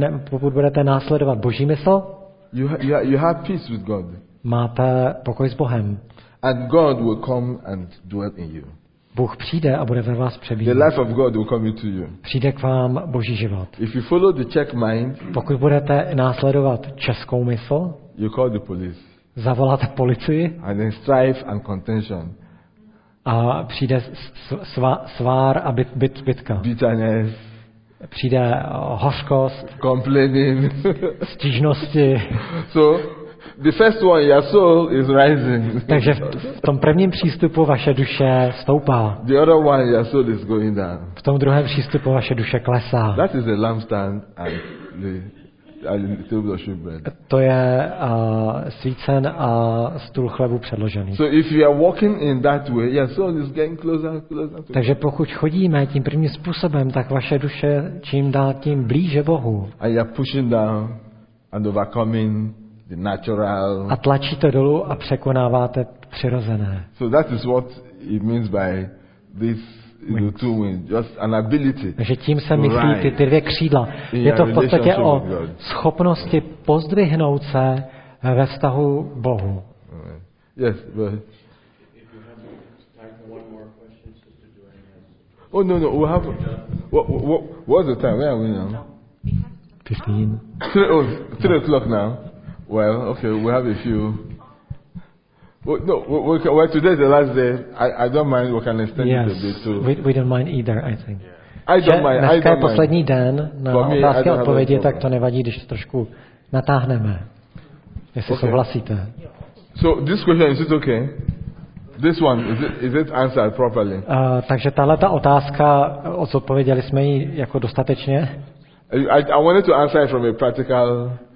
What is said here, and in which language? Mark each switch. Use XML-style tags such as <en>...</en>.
<cs>pokud budete následovat Boží mysl,</cs> <en>you have peace with God.</en> <cs>Máte pokoj s Bohem.</cs> <en>And God will come and dwell in you.</en> <cs>Bůh přijde a bude ve vás přebývat.</cs> <en>The life of God will come into you.</en> <cs>Přijde k vám Boží život.</cs> <en>If you follow the Czech mind,</en> <cs>pokud budete následovat českou mysl,</cs> <en>you call the police.</en> <cs>Zavoláte policii.</cs> <en>And then strife and contention.</en> <cs>A přijde svár a bitka.</cs> <en>Bitterness.</en> <cs>Přijde hořkost.</cs> <en>Complaining.</en> <cs>Stížnosti.</cs> <en>So the first one, your soul is rising.</en> <cs>Takže v tom prvním přístupu vaše duše stoupá.</cs> <en>The other one, your soul is going down.</en> <cs>V tom druhém přístupu vaše duše klesá.</cs> <en>That is the lampstand and the table of shewbread.</en> <cs>To je svícen a stůl chlebu předložený.</cs> <en>So if you are walking in that way, your soul is getting closer.</en> <cs>Takže pokud chodíme tím prvním způsobem, tak vaše duše čím dál tím blíže Bohu.</cs> <en>And you're pushing down and overcoming. Natural.</en> <cs>A tlačíte dolů a překonáváte přirozené.</cs> <en>So that is what it means by this two wings, just an ability.</en> <cs>Takže tím se myslí ty dvě křídla. Je to v podstatě o schopnosti pozdvihnout se ve vztahu k Bohu.</cs> <en>Yes, but... Oh no, we have what's the time? Where are we now? 15. 3 o'clock now. Well, okay, we have a few. Well, today is the last day. I don't mind. We can extend yes, it a bit too. We don't mind either. I think. Yeah. I don't mind.</en> <cs>Poslední den na otázky a odpovědi, tak to nevadí, když to trošku natáhneme. Jestli souhlasíte.</cs> <en>So this question is it okay? This one is it answered properly?</en> <cs>Takže tahle ta otázka, odpověděli jsme ji jako dostatečně?</cs> <en>I wanted to answer it from a practical.</en>